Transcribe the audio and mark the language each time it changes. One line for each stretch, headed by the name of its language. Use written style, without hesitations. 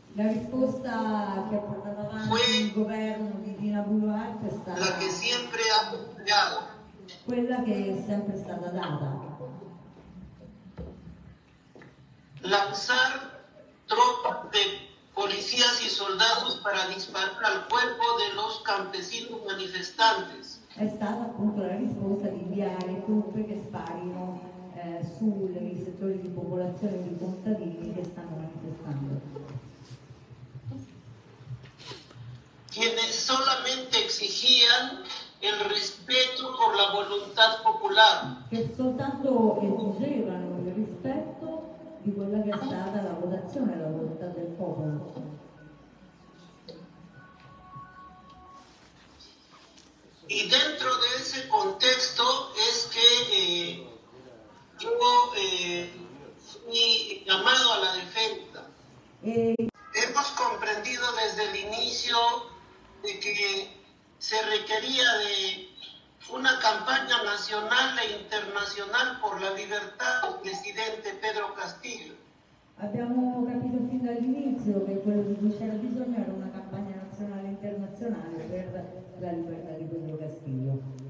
Spanish: La respuesta que ha portado avanti el gobierno de Dina Boluarte es la que siempre ha dado.
Italian: Quella che è sempre stata data.
Spanish: Lanzar tropas de policías y soldados para disparar al cuerpo de los campesinos manifestantes.
Italian: È stata appunto la risposta di inviare truppe che sparino sui settori di popolazione di contadini che stanno manifestando.
Spanish: Quienes solamente exigían el respeto por la voluntad popular.
Italian: Che soltanto esigevano il rispetto di quella che è stata la votazione, la volontà del popolo.
Spanish: Y dentro de ese contexto es que yo fui llamado a la defensa. Hemos comprendido desde el inicio de que se requería de una campaña nacional e internacional por la libertad del presidente Pedro Castillo.
Italian: Abbiamo capito fin dall'inizio che quello di cui c'era bisogno era una campagna nazionale e internazionale per la libertà di Pedro Castillo.